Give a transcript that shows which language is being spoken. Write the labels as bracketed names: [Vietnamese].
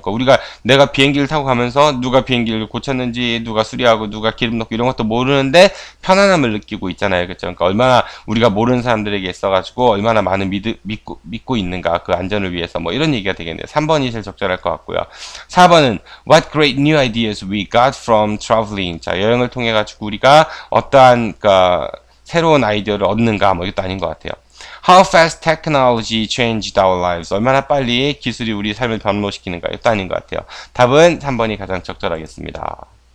[Korean] 그러니까 내가 비행기를 타고 가면서 누가 비행기를 고쳤는지, 누가 수리하고, 누가 기름 넣고 이런 것도 모르는데 편안함을 느끼고 있잖아요. 그렇죠? 그러니까 얼마나 우리가 모르는 사람들에게 있어가지고 얼마나 많은 믿고 있는가, 그 안전을 위해서 뭐 이런 얘기가 되겠네요. 3번이 제일 적절할 것 같고요. 4번은 [English] What great new ideas we got from traveling? [Korean] 자, 여행을 통해가지고 우리가 어떠한 그러니까 새로운 아이디어를 얻는가, 뭐 이것도 아닌 것 같아요. [English] How fast technology changed our lives? [Korean] 얼마나 빨리 기술이 우리 삶을 변모시키는가? 이것도 아닌 것 같아요. 답은 3번이 가장 적절하겠습니다.